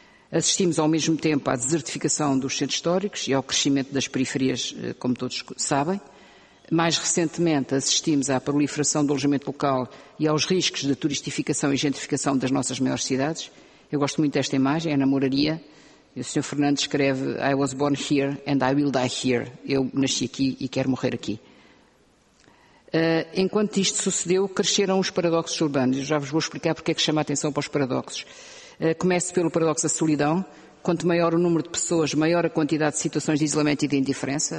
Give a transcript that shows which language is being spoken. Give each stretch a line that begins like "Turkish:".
Portuguese: Assistimos ao mesmo tempo à desertificação dos centros históricos e ao crescimento das periferias, como todos sabem. Mais recentemente assistimos à proliferação do alojamento local e aos riscos de turistificação e gentrificação das nossas maiores cidades. Eu gosto muito desta imagem, é na Moraria. O Sr.
English: Fernando escreve: I was born here and I will die here.
Portuguese: Eu nasci aqui e quero morrer aqui. Enquanto isto sucedeu, cresceram os paradoxos urbanos. Eu já vos vou explicar porque é que chama a atenção para os paradoxos. Começo pelo paradoxo da solidão. Quanto maior o número de pessoas, maior a quantidade de situações de isolamento e de indiferença.